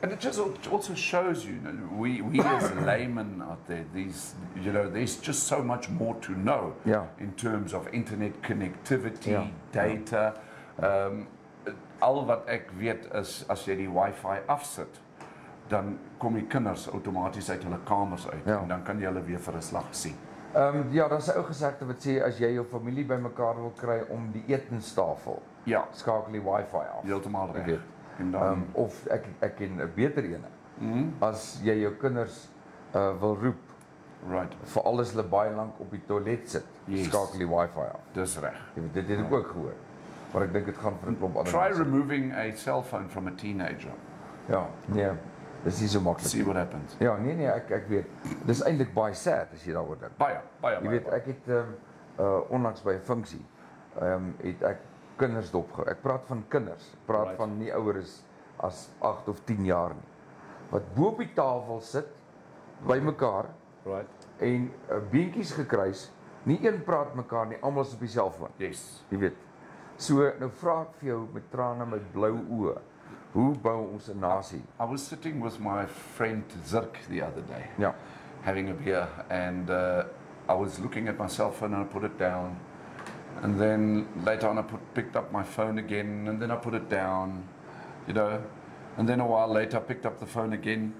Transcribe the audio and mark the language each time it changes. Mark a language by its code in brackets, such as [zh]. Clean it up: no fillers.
[en] And it just also shows you, we as laymen out there, there's just so much more to know yeah. in terms of internet connectivity, yeah. data. [af] Al wat ek weet is, as jy die wifi afsit, dan kom die kinders automatisch uit hulle kamers uit. [en] Yeah. [af] En dan kan jy hulle weer vir 'n slag sien. Dat is ook gesegde wat sê, as jy jou familie by mekaar wil kry om die etenstafel, Ja. Skakel die wifi af. Heeltemaal recht. Weet. En dan... of ek ken een beter ene. Mm-hmm. As jy jou kinders wil roep. [en] Right. [af] Voor alles hulle baie lang op die toilet sit. [en] Yes. [af] Skakel die wifi af. Dis recht. Weet, dit het ek ook gehoor. Maar ek dink het gaan vir een klomp ander. [en] Try removing a cell phone from a teenager. [af] Ja, nee. Dis nie so makkelijk. [en] See what happens. [af] Ja, nee, ek weet. Dis eindelijk baie sad as jy daar oor dink. Baie. Jy weet, ek het onlangs by een funksie, het ek kinders dopgehou. Ek praat van kinders. Ek praat van nie ouer as 8 of 10 jaar nie. Wat bo op die tafel sit, by mekaar, [en] right. [af] en beentjies gekruis, nie een praat mekaar nie, almal is op die selfoon. [en] Yes. [af] Jy weet. So, nou vraag ek vir jou met trane met blou oë, hoe bou ons 'n nasie? [en] I was sitting with my friend Zirk the other day, yeah. having a beer, and I was looking at my cell phone and I put it down, and then later on I picked up my phone again, and then I put it down, you know, and then a while later I picked up the phone again.